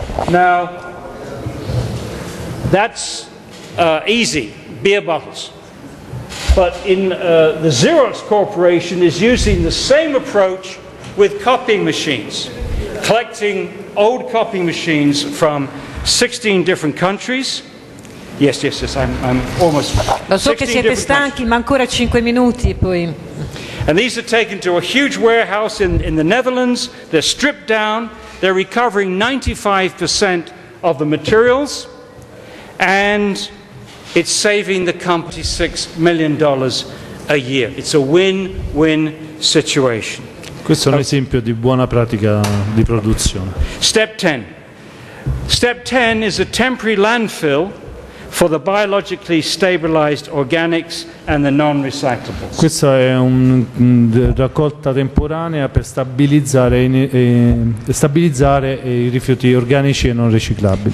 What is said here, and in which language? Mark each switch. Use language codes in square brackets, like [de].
[en] Now, that's easy, beer bottles. but in the Xerox Corporation is using the same approach with copying machines, collecting old copying machines from 16 different countries. Yes, I'm almost. [it] Lo so che siete stanchi, ma ancora 5 minuti e poi. [en] And these are taken to a huge warehouse in the Netherlands. They're stripped down. They're recovering 95% of the materials, and it's saving the company $6 million a year. It's a win-win situation. [it] Questo è un esempio di buona pratica di produzione. [en] Step 10. Step 10 is a temporary landfill for the biologically stabilized organics and the non-recyclables. [it] Questa è una raccolta temporanea per stabilizzare i rifiuti organici e non riciclabili.